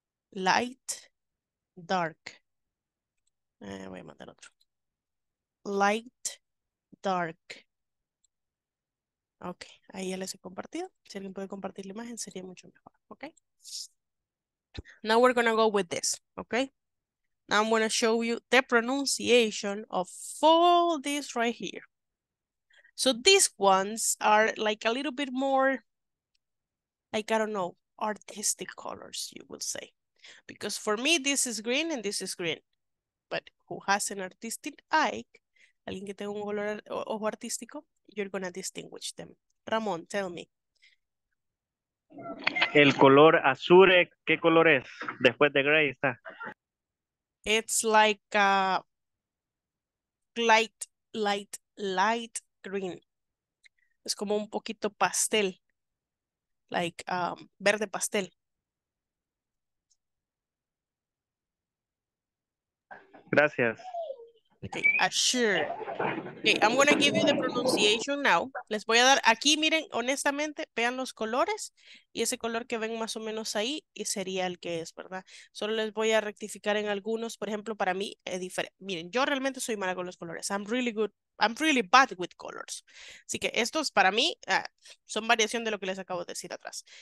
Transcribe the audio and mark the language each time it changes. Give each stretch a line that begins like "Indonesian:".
English: Light, dark.
Spanish: Voy a mandar otro.
English: Light, dark.
Spanish: Ok, ahí ya les he compartido. Si alguien puede compartir la imagen, sería mucho mejor.
English: Ok. Now we're going to go with this. Ok. Now I'm going to show you the pronunciation of all this right here. So these ones are like a little bit more, like, I don't know, artistic colors, you would say. Because for me, this is green and this is green. But who has an artistic eye,
Spanish: alguien que tenga un color ojo artístico,
English: you're gonna distinguish them. Ramón, tell me.
Spanish: El color azul, ¿qué color es? Después de gray está.
English: It's like a light green.
Spanish: Es como un poquito pastel. Like verde pastel. Gracias.
English: Okay, assure. Okay, I'm going to give you the pronunciation now.
Spanish: Les voy a dar aquí, miren, honestamente, vean los colores y ese color que ven más o menos ahí y sería el que es, ¿verdad? Solo les voy a rectificar en algunos, por ejemplo, para mí es diferente. Miren, yo realmente soy mala con los colores.
English: I'm really bad with colors.
Spanish: Así que estos para mí son variación de lo que les acabo de decir atrás.